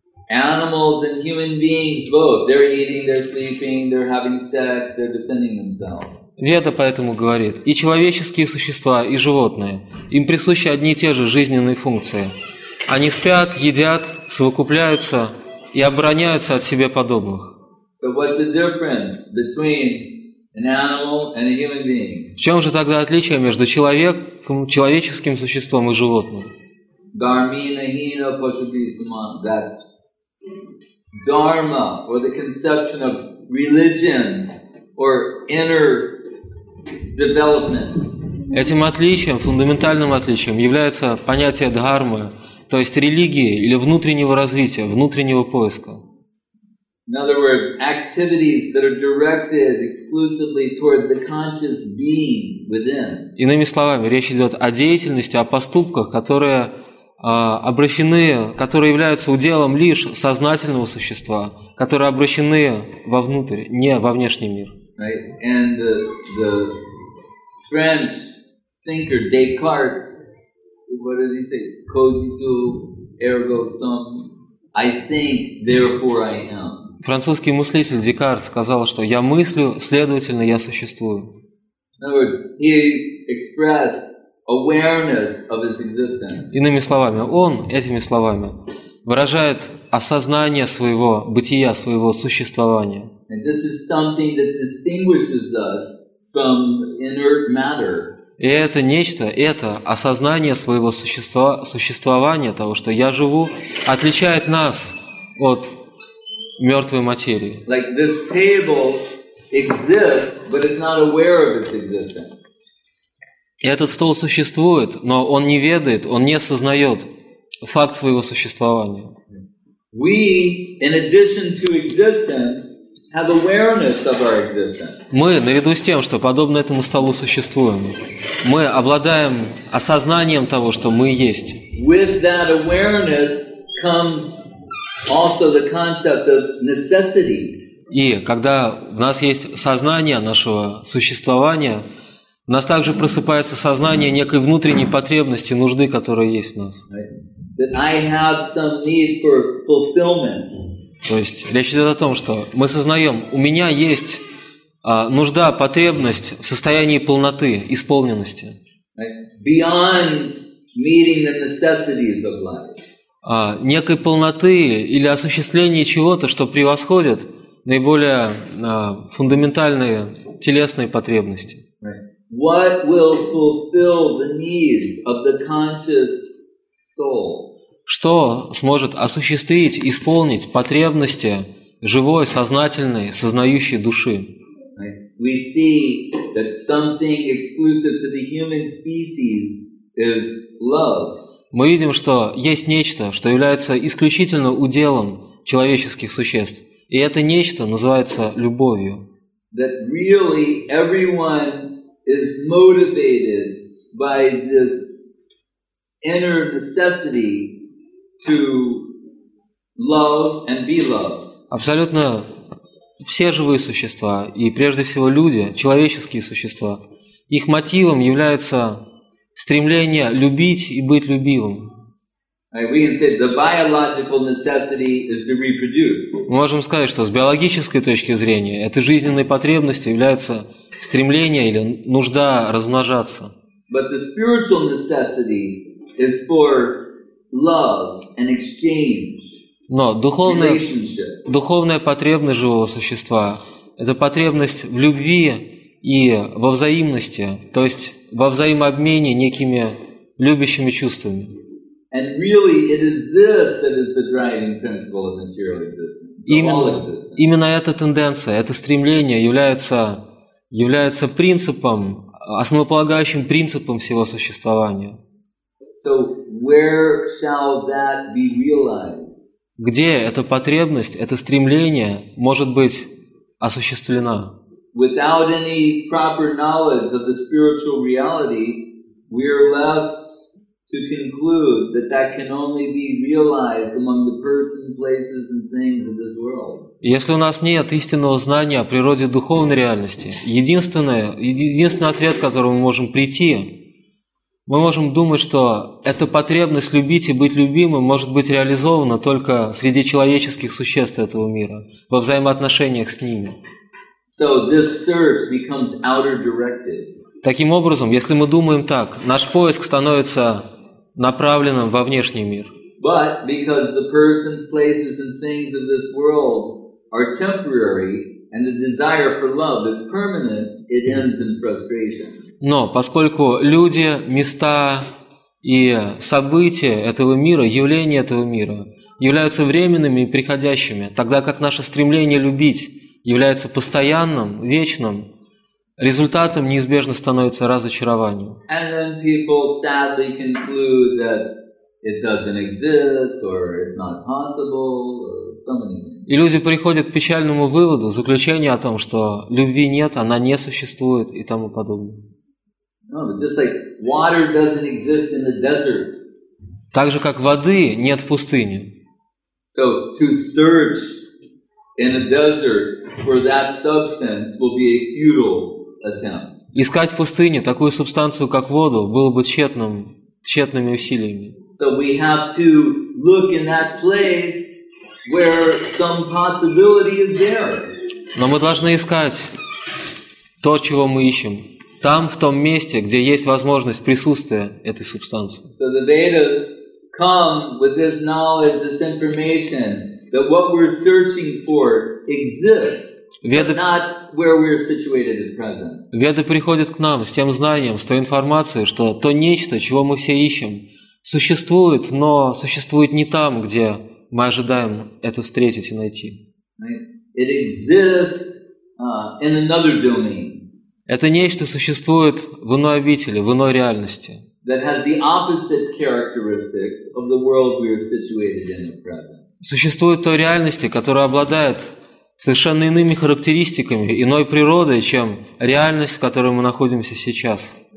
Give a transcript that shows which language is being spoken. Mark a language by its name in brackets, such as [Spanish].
[English] Animals and human beings both. They're eating, they're sleeping, they're having sex, they're defending themselves. [Russian] Веда поэтому говорит, и человеческие существа, и животные, им присущи одни и те же жизненные функции. Они спят, едят, совокупляются и обороняются от себе подобных. [English] So what's the difference between an animal and a human being? [Russian] В чем же тогда отличие между человеком, человеческим существом и животным? [Sanskrit] Dharmina hina pashubhismana, [English] that dharma, or the conception of religion, or inner development. [Russian] Этим отличием, фундаментальным отличием является понятие дхармы, то есть религии или внутреннего развития, внутреннего поиска. [English] In other words, activities that are directed exclusively toward the conscious being within. [Russian] Иными словами, речь идет о деятельности, о поступках, которые обращены, которые являются уделом лишь сознательного существа, которые обращены вовнутрь, не во внешний мир. [English] Right? And the French thinker Descartes, what did he say? [Latin] Cogito ergo sum. [English] I think, therefore I am. [Russian] Французский мыслитель Декарт сказал, что я мыслю, следовательно, я существую. [English] In other words, he expressed awareness of his existence. [Russian] Иными словами, он этими словами выражает осознание своего бытия, своего существования. [English] And this is something that distinguishes us from inert matter. [Russian] И это нечто, это осознание своего существа, существования, того, что я живу, отличает нас от мёртвой материи. [English] Like this table exists, but it's not aware of its existence. [Russian] И этот стол существует, но он не ведает, он не осознает факт своего существования. [English] We, in addition to existence, have awareness of our existence. [Russian] Мы, наряду с тем, что подобно этому столу существуем, мы обладаем осознанием того, что мы есть. [English] With that awareness comes also the concept of necessity. [Russian] И когда у нас есть сознание нашего существования, у нас также просыпается сознание некой внутренней потребности, нужды, которая есть в нас. [English] That I have some need for fulfillment. [Russian] То есть речь идет о том, что мы сознаем, у меня есть нужда, потребность в состоянии полноты, исполненности. [English] Beyond meeting the necessities of life. [Russian] Некой полноты или осуществления чего-то, что превосходит наиболее фундаментальные телесные потребности. [English] What will fulfill the needs of the conscious soul? [Russian] Что сможет осуществить, исполнить потребности живой, сознательной, сознающей души? [English] We see that something exclusive to the human species is love. [Russian] Мы видим, что есть нечто, что является исключительно уделом человеческих существ. И это нечто называется любовью. [English] That really everyone is motivated by this inner necessity to love and be loved. [Russian] Абсолютно все живые существа, и прежде всего люди, человеческие существа, их мотивом является стремление любить и быть любимым. Мы можем сказать, что с биологической точки зрения этой жизненной потребностью является стремление или нужда размножаться. [English] But the spiritual necessity is for love and exchange. [Russian] Но духовная потребность живого существа – это потребность в любви и во взаимности, то есть во взаимообмене некими любящими чувствами. [English] And really it is this that is the driving principle of material existence. [Russian] Именно эта тенденция, это стремление является принципом, основополагающим принципом всего существования. [English] So where shall that be realized? [Russian] Где эта потребность, это стремление может быть осуществлено? [English] Without any proper knowledge of the spiritual reality, we are left to conclude that that can only be realized among the persons, places, and things of this world. [Russian] Если у нас нет истинного знания о природе духовной реальности, единственный ответ, к которому мы можем прийти, мы можем думать, что эта потребность любить и быть любимым может быть реализована только среди человеческих существ этого мира, во взаимоотношениях с ними. [English] So this search becomes outer directed. [Russian] Таким образом, если мы думаем так, наш поиск становится направленным во внешний мир. [English] But because the persons, places, and things of this world are temporary, and the desire for love is permanent, it ends in frustration. [Russian] Но поскольку люди, места, И события этого мира, явления этого мира являются временными и приходящими, тогда как наше стремление любить является постоянным, вечным, результатом неизбежно становится разочарование. [English] And then people sadly conclude that it doesn't exist, or it's not possible, or so many things. [Russian] И люди приходят к печальному выводу, заключению о том, что любви нет, она не существует и тому подобное. [English] No, but just like water doesn't exist in the desert. [Russian] Так же, как воды нет в пустыне. [English] So to search in a desert for that substance will be a futile attempt. [Russian] Искать в пустыне такую субстанцию, как воду, было бы тщетными усилиями. [English] So we have to look in that place where some possibility is there. [Russian] Но мы должны искать то, чего мы ищем, там, в том месте, где есть возможность присутствия этой субстанции. [English] So the Vedas come with this knowledge, this information that what we're searching for exists. Веды, but not where we're situated at present. [Russian] Веды приходят к нам с тем знанием, с той информацией, что то нечто, чего мы все ищем, существует, но существует не там, где мы ожидаем это встретить и найти. [English] It exists, in another domain. [Russian] Это нечто существует в иной обители, в иной реальности. [English] That has the opposite characteristics of the world we are situated in at present. [Russian] Существует той реальности, которая обладает совершенно иными характеристиками, иной природой, чем реальность, в которой мы находимся сейчас.